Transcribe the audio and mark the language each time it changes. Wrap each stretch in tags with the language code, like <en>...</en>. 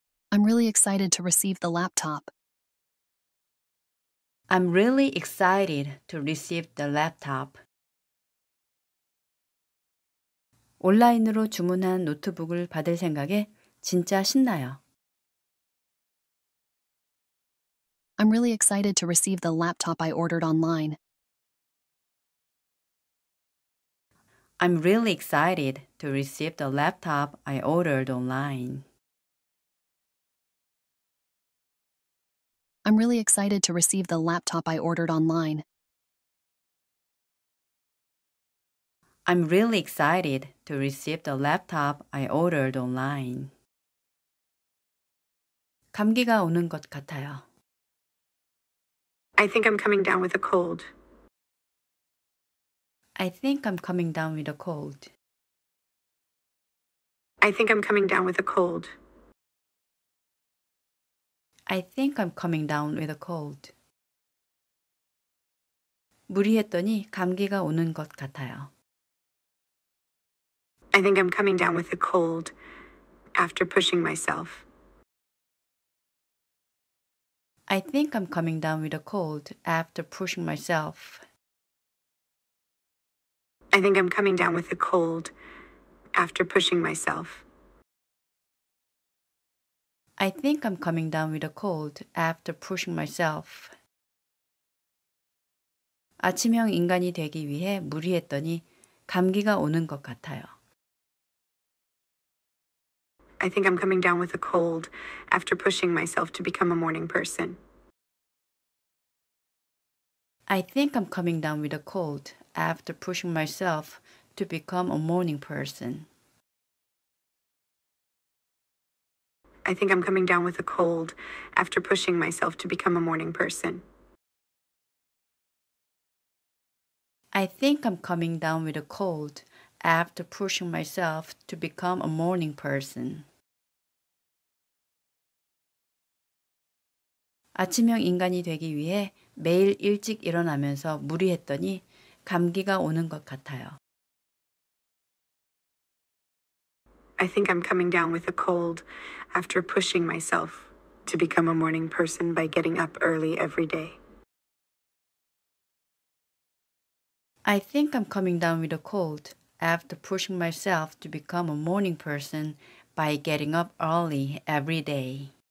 <en>I'm really excited to receive the laptop. I'm really excited to receive the laptop.</en> <ko>온라인으로 주문한 노트북을 받을 생각에 진짜 신나요.</ko> <en>I'm really excited to receive the laptop I ordered online. I'm really excited to receive the laptop I ordered online. I'm really excited to receive the laptop I ordered online. I'm really excited to receive the laptop I ordered online.</en> <ko>감기가 오는 것 같아요.</ko> <en>I think I'm coming down with a cold. I think I'm coming down with a cold. I think I'm coming down with a cold. I think I'm coming down with a cold.</en> <ko>무리했더니 감기가 오는 것 같아요.</ko> <en>I think I'm coming down with a cold after pushing myself. I think I'm coming down with a cold after pushing myself. I think I'm coming down with a cold after pushing myself. I think I'm coming down with a cold after pushing myself.</en> <ko>아침형 인간이 되기 위해 무리했더니 감기가 오는 것 같아요.</ko> <en>I think I'm coming down with a cold after pushing myself to become a morning person. I think I'm coming down with a cold after pushing myself to become a morning person. I think I'm coming down with a cold after pushing myself to become a morning person. I think I'm coming down with a cold after pushing myself to become a morning person.</en> <ko>아침형 인간이 되기 위해 매일 일찍 일어나면서 무리했더니 감기가 오는 것 같아요.</ko> <en>I think I'm coming down with a cold after pushing myself to become a morning person by getting up early every day. I think I'm coming down with a cold after pushing myself to become a morning person by getting up early every day.</en>